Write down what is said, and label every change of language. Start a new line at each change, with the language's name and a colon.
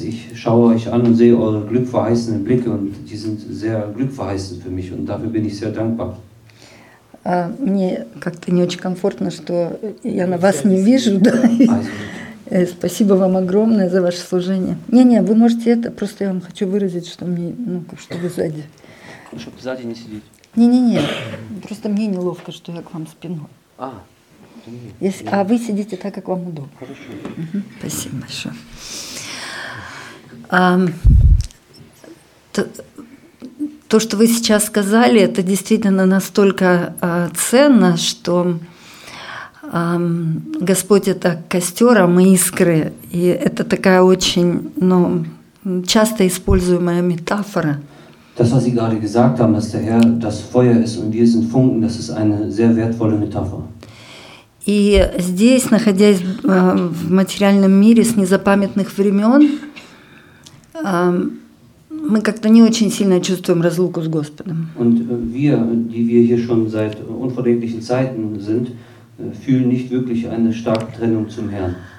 German: Ich schaue euch an und sehe eure glückverheißenden Blicke, und die sind sehr glückverheißend für mich, und dafür bin ich sehr dankbar.
Russian: Мне как-то не очень комфортно, что я на вас не вижу. Да? Спасибо вам огромное за ваше служение. Не-не, вы можете это, просто я вам хочу выразить, что мне, ну, что вы сзади. Чтобы сзади не сидеть. Не-не-не, просто мне неловко, что я к вам спиной. А вы сидите так, как вам удобно. Хорошо. Спасибо большое. То, что вы сейчас сказали, это действительно настолько ценно, что Господь — это костер, а мы искры. И это такая очень, ну, часто используемая метафора.
German: Das, was Sie gerade gesagt haben, dass der Herr das Feuer ist und wir sind Funken, das ist eine sehr wertvolle Metapher.
Russian: И здесь, находясь в материальном мире с незапамятных времен, мы как-то не очень сильно чувствуем разлуку с Господом.
German: Und wir, die wir hier schon seit unvergänglichen Zeiten sind, fühlen nicht wirklich eine starke Trennung zum Herrn.